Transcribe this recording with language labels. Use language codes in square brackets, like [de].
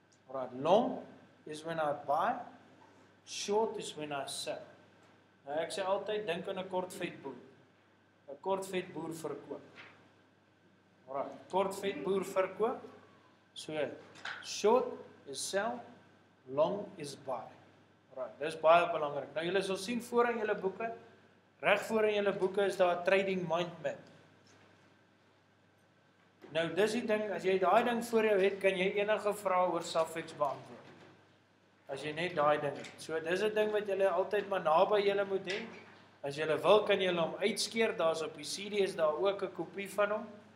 [en] Alright, long is when I buy, short is when I sell. [af] Nou ek sê altyd, denk aan 'n kort vet boer. 'N Kort vet boer verkoop. Alright, kort vet boer verkoop. [en] So, short is sell, long is buy. [af] Alright, dit is baie belangrik. Nou julle sal sien voor in julle boeke, reg voor in julle boeke is daar 'n trading mind map. Nou, dis die ding, as jy die ding voor jou het, kan jy enige vraag oor Safex beantwoord. As jy net die ding het. So, dis die ding wat jy altyd maar na by jy moet heen. As jy wil, kan jy hom uitskeer, daar is op die CD, is daar ook een kopie van hom.